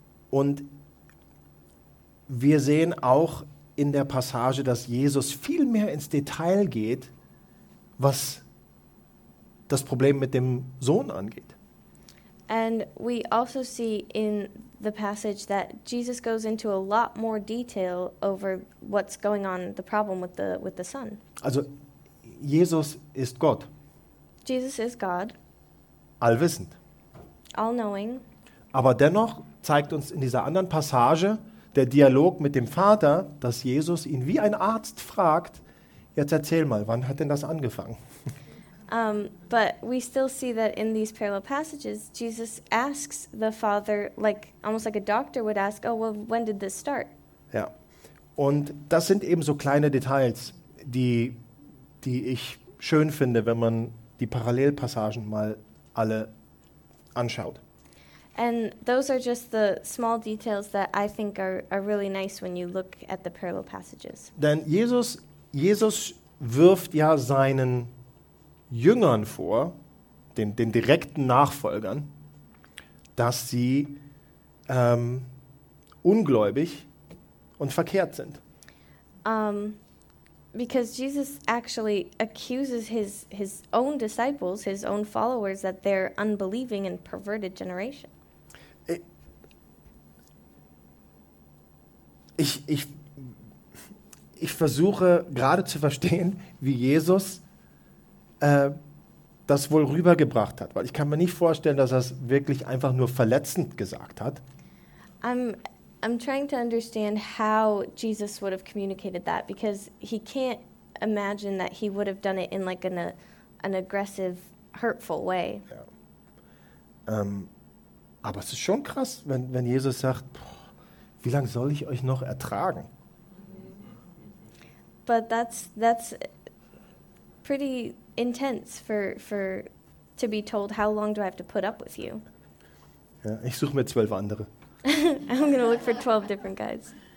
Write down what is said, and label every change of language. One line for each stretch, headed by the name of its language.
German: Und wir sehen auch in der Passage, dass Jesus viel mehr ins Detail geht, was das Problem mit dem Sohn angeht.
English: And we also see in the passage that Jesus goes into a lot more detail over what's going on, the problem with the son.
German: Also Jesus ist Gott.
English: Jesus is God.
German: Allwissend.
English: All-knowing.
German: Aber dennoch zeigt uns in dieser anderen Passage der Dialog mit dem Vater, dass Jesus ihn wie ein Arzt fragt, jetzt erzähl mal, wann hat denn das angefangen?
English: But we still see that in these parallel passages, Jesus asks the father, like almost like a doctor would ask, oh, well, when did this start?
German: Ja. Und das sind eben so kleine Details, die ich schön finde, wenn man die Parallelpassagen mal alle anschaut.
English: And those are just the small details that I think are really nice when you look at the parallel passages.
German: Denn Jesus wirft ja seinen Jüngern vor, den direkten Nachfolgern, dass sie ungläubig und verkehrt sind.
English: Because Jesus actually accuses his own disciples, his own followers, that they're unbelieving and perverted generation.
German: Ich versuche gerade zu verstehen, wie Jesus das wohl rübergebracht hat, weil ich kann mir nicht vorstellen, dass er es wirklich einfach nur verletzend gesagt hat.
English: I'm trying to understand how Jesus would have communicated that, because he can't imagine that he would have done it in like an aggressive, hurtful way.
German: Ja. Aber es ist schon krass, wenn Jesus sagt, wie lange soll ich euch noch ertragen?
English: But that's pretty intense for to be told, how long do I have to put up with you?
German: Ja, ich suche mir 12 andere.
English: I'm going to look for 12 different guys.